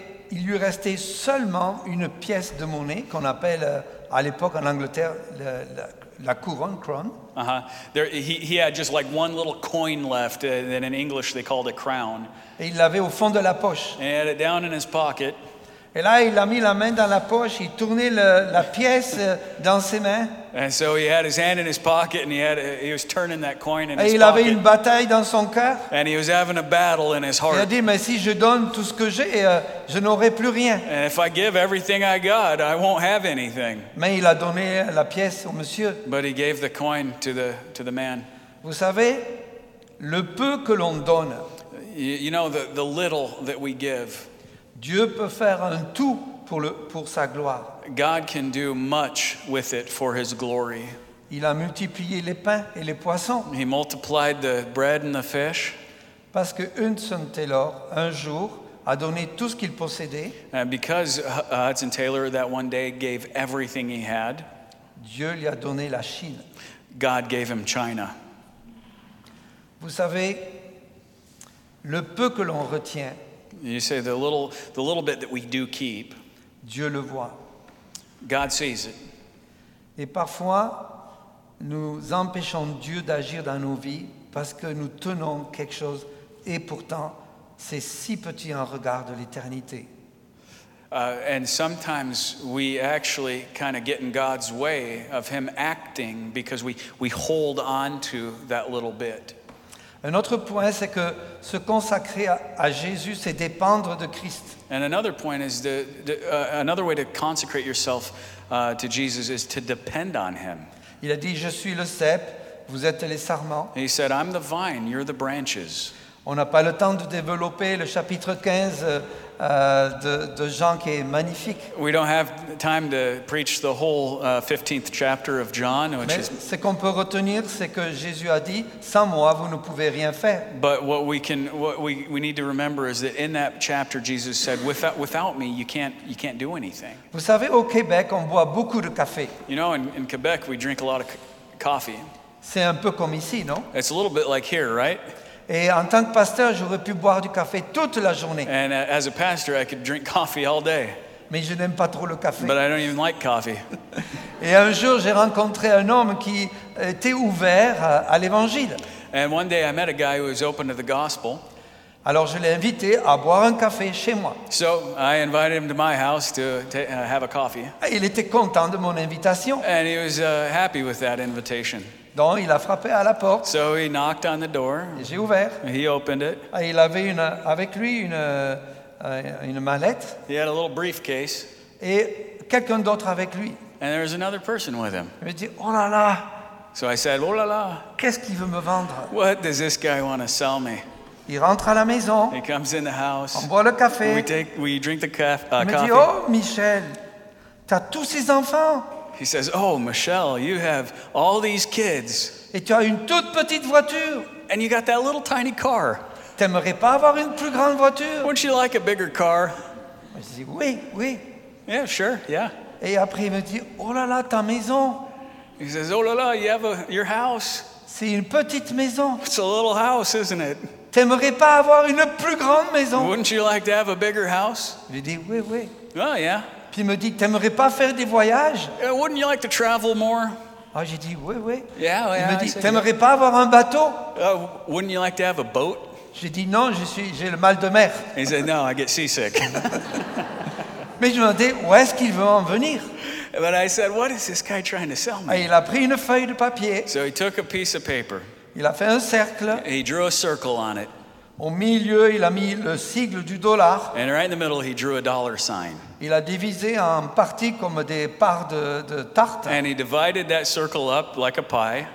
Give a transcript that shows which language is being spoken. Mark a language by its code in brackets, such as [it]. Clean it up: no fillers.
[fr] Il lui restait seulement une pièce de monnaie qu'on appelle à l'époque en Angleterre la couronne, crown. Uh-huh. [en] He had just like one little coin left that in English they called a crown. [fr] Et il l'avait au fond de la poche. [en] And he had it down in his pocket. [fr] Et là, il a mis la main dans la poche, il tournait la pièce dans ses mains. [en] And so he had his hand in his pocket and he was turning that coin in his pocket. [fr] Et il avait une bataille dans son cœur. [en] And he was having a battle in his heart. [fr] Il a dit, mais si je donne tout ce que j'ai, je n'aurai plus rien. [en] And if I give everything I got, I won't have anything. [fr] Mais il a donné la pièce au monsieur. [en] But he gave the coin to the man. [fr] Vous savez, le peu que l'on donne. [en] You know, the little that we give. [fr] Dieu peut faire un tout pour sa gloire. [en] God can do much with it for his glory. [fr] Il a multiplié les pains et les poissons. [en] He multiplied the bread and the fish. [fr] Parce que Hudson Taylor, un jour, a donné tout ce qu'il possédait. [en] And because Hudson Taylor that one day gave everything he had, [fr] Dieu lui a donné la Chine. [en] God gave him China. [fr] Vous savez, le peu que l'on retient, [en] you say the little bit that we do keep. [fr] Dieu le voit. [en] God sees it. [fr] Et parfois, nous empêchons Dieu d'agir dans nos vies parce que nous tenons quelque chose, et pourtant, c'est si petit en regard de l'éternité. [en] And sometimes we actually kind of get in God's way of Him acting because we hold on to that little bit. [fr] Un autre point, c'est que se consacrer à Jésus, c'est dépendre de Christ. [en] And another point is another way to consecrate yourself to Jesus is to depend on Him. [fr] Il a dit, je suis le cep, vous êtes les sarments. [en] He said, I'm the vine, you're the branches. [fr] On n'a pas le temps de développer le chapitre 15 de Jean qui est magnifique. [en] We don't have time to preach the whole 15th chapter of John, which [fr] Mais [en] is. [fr] Ce qu'on peut retenir, c'est que Jésus a dit, sans moi, vous ne pouvez rien faire. [en] But what we need to remember is that in that chapter, Jesus said, without me, you can't do anything. [fr] Vous savez, au Québec, on boit beaucoup de café. [en] You know, in Quebec, we drink a lot of coffee. [fr] C'est un peu comme ici, non? [en] It's a little bit like here, right? [fr] Et en tant que pasteur, j'aurais pu boire du café toute la journée. [en] And as a pastor, I could drink coffee all day. [fr] Mais je n'aime pas trop le café. [en] But I don't even like coffee. [fr] Et un jour, j'ai rencontré un homme qui était ouvert à l'évangile. [en] And one day, I met a guy who was open to the gospel. [fr] Alors je l'ai invité à boire un café chez moi. [en] So I invited him to my house to have a coffee. [fr] Et il était content de mon invitation. [en] And he was happy with that invitation. [fr] Donc, il a frappé à la porte. [en] So he knocked on the door. [fr] J'ai ouvert. [en] He opened it. [fr] Et il avait avec lui une mallette. [en] He had a little briefcase. [fr] Et quelqu'un d'autre avec lui. [en] And there was another person with him. [fr] Il me dit, oh là là. [en] So I said, [fr] oh là là. Qu'est-ce qu'il veut me vendre? [en] What does this guy want to sell me? [fr] Il rentre à la maison. [en] He comes in the house. [fr] On boit le café. [en] We drink the coffee. [fr] Il me dit, oh Michel, t'as tous ces enfants. [en] He says, oh, Michelle, you have all these kids. [fr] Et tu as une toute petite voiture. [en] And you got that little tiny car. [fr] T'aimerais pas avoir une plus grande voiture? [en] Wouldn't you like a bigger car? [fr] Je dis, oui, oui. [en] Yeah, sure, yeah. [fr] Et après, il me dit, oh là là, ta maison. [en] He says, [fr] oh là là, [en] you have your house. [fr] C'est une petite maison. [en] It's a little house, isn't it? [fr] T'aimerais pas avoir une plus grande maison? [en] Wouldn't you like to have a bigger house? [fr] Je dis, oui, oui. [en] Oh, yeah. [fr] Puis il me dit, t'aimerais pas faire des voyages? [en] Wouldn't you like to travel more? [fr] Ah, j'ai dit, oui, oui. [en] Yeah, [fr] il me dit, [en] say, [fr] t'aimerais [en] yeah. [fr] pas avoir un bateau? [en] Wouldn't you like to have a boat? [fr] J'ai dit, non, j'ai le mal de mer. [en] He said, no, I get seasick. [fr] Mais je me demandais, où est-ce qu'il veut en venir? [en] But I said, what is this guy trying to sell me? [fr] Et il a pris une feuille de papier. [en] So he took a piece of paper. [fr] Il a fait un cercle. [en] And he drew a circle on it. [fr] Au milieu, il a mis le sigle du dollar. [en] And right in the middle, he drew a dollar sign. [fr] Il a divisé en parties comme des parts de tarte. [en] And he divided that circle up like a pie.